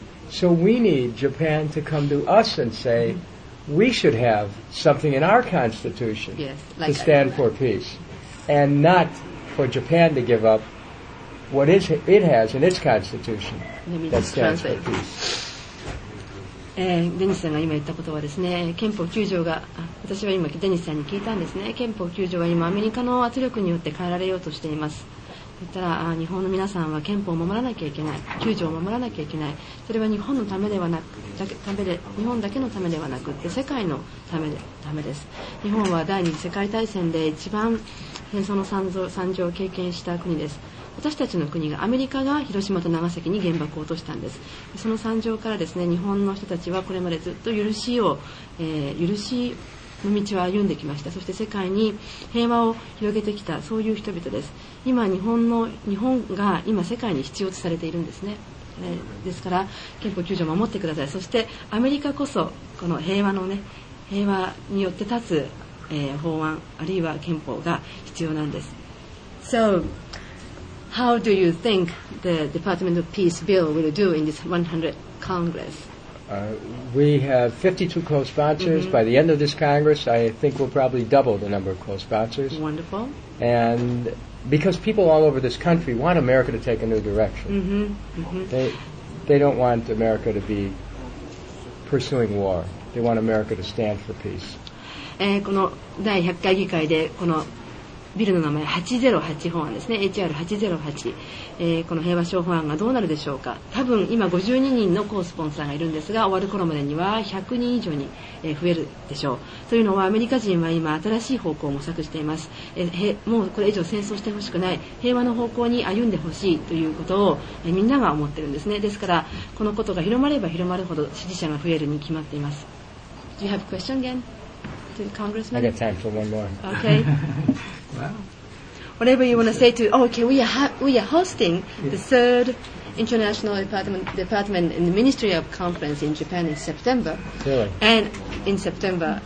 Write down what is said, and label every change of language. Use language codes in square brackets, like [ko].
[en] So we need Japan to come to us and say,we should have something in our constitution, yes, like to stand for peace, and not for Japan to give up what it has in its constitution that stands for peace. [ja] デニスさんが今言ったことはですね、憲法9条が、私は今デニスさんに聞いたんですね、憲法9条は今アメリカの圧力によって変えられようとしています。言ったら日本の皆さんは憲法を守らなきゃいけない、9条を守らなきゃいけない、それは日本のためではなく、日本だけのためではなくて世界のためです。日本は第二次世界大戦で一番戦争の惨状を経験した国です。私たちの国がアメリカが広島と長崎に原爆を落としたんです。その惨状からですね、日本の人たちはこれまでずっと許しを、許しの道を歩んできました。そして世界に平和を広げてきた、そういう人々です。今日本が今世界に必要とされているんですね。ですから憲法9条を守ってください。そしてアメリカこそこの平和のね、平和によって立つ、法案あるいは憲法が必要なんです。 [en] So how do you think the Department of Peace bill will do in this 100th Congress? We have 52 co-sponsors. Mm-hmm. By the end of this Congress, I think we'll probably double the number of co-sponsors. Wonderful. And because people all over this country want America to take a new direction. Mm-hmm. Mm-hmm. They don't want America to be pursuing war. They want America to stand for peace. [ja] この第100回議会でこのビルの名前808法案ですね、 HR808、この平和賞法案がどうなるでしょうか。多分今52人のコースポンサーがいるんですが、終わる頃までには100人以上に増えるでしょう。というのはアメリカ人は今新しい方向を模索しています。もうこれ以上戦争してほしくない、平和の方向に歩んでほしいということをみんなが思っているんですね。ですからこのことが広まれば広まるほど支持者が増えるに決まっています。 [en] Do you have a question again to the congressman? I got time for one more. Okay. Wow. Whatever you want to say to, okay, we are hosting the third international department in the Ministry of Conference in Japan in September. Really? And in September.